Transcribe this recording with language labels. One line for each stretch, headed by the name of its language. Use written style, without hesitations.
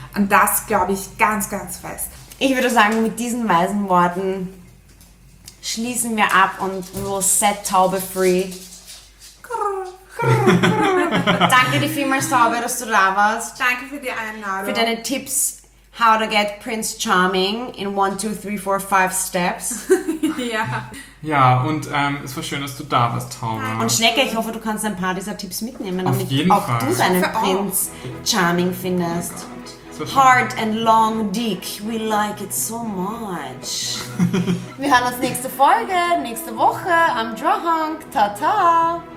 German: An das glaube ich ganz, ganz fest. Ich würde sagen, mit diesen weisen Worten schließen wir ab und
English: we'll set Taube free.
German: Danke dir vielmals, Taube, dass du da warst. Danke für die Einladung. Für deine Tipps.
English: How to get Prince Charming in 1, 2, 3, 4, 5 steps.
German: Ja. Ja, und es war schön, dass du da warst, Taube. Und Schnecke, ich hoffe, du kannst ein paar dieser Tipps mitnehmen. Auf jeden Fall. Damit auch du deinen Prince Charming findest.
English: Oh, hard and long dick. We like it so much.
German: Wir hören uns nächste Folge, nächste Woche.
English: I'm drunk. Ta-ta.